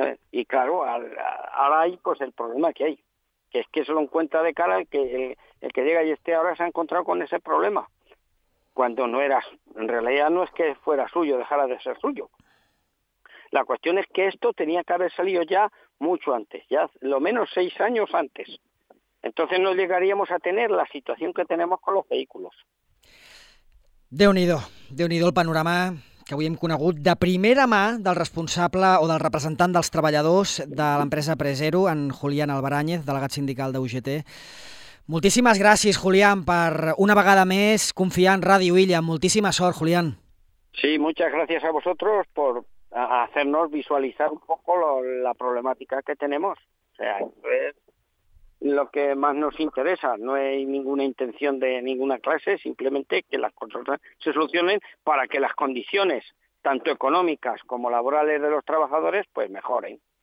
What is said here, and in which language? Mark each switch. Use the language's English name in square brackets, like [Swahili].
[Spanish] Y claro, ahora hay pues el problema que hay, que es que se lo encuentra de cara el que llega y esté ahora se ha encontrado con ese problema, cuando no era, en realidad no es que fuera suyo, dejara de ser suyo. La cuestión es que esto tenía que haber salido ya mucho antes, ya lo menos 6 años antes. Entonces no llegaríamos a tener la situación que tenemos con los vehículos. [Catalan] Déu-n'hi-do el panorama que avui hem conegut de primera mà del responsable o del representant dels treballadors de l'empresa Precero, en Julián Albaráñez, delegat sindical d'UGT. Moltíssimes gràcies, Julián, per una vegada més confiar en Ràdio Illa. Moltíssima sort, Julián. [Spanish] Sí, muchas gracias a vosotros por hacernos visualizar un poco la problemática que tenemos. O sea, es lo que más nos interesa. No hay ninguna intención de ninguna clase, simplemente que las cosas se solucionen para que las condiciones, tanto económicas como laborales de los trabajadores, pues mejoren.